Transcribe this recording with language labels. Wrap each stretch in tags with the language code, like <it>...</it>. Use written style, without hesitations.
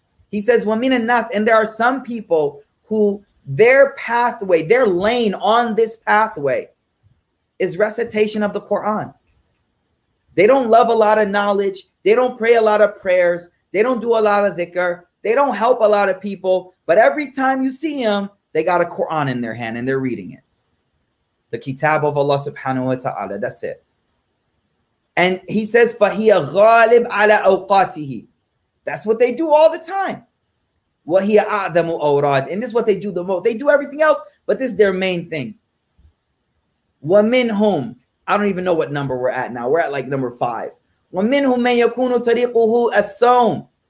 <en>He says,</en> <ar>وَمِنَ النَّاسِ,</ar> <en>and there are some people who their pathway, their lane on this pathway is recitation of the Quran. They don't love a lot of knowledge. They don't pray a lot of prayers. They don't do a lot of dhikr. They don't help a lot of people. But every time you see them, they got a Quran in their hand and they're reading it. The kitab of Allah subhanahu wa ta'ala. That's it. And he says,</en> <ar>فَهِيَ غَالِبْ عَلَىٰ أَوْقَاتِهِ.</ar> <en>That's what they do all the time.</en> <ar>وَهِيَ أَعْذَمُ أَوْرَادِ.</ar> <en>And this is what they do the most. They do everything else, but this is their main thing.</en> <ar>وَمِنْهُمْ.</ar> <en>I don't even know what number we're at now. We're at like number five.</en> <ar>وَمِنْهُمْ مَنْ يَكُونُ طَرِيقُهُ أَسَّوْمُ.</ar>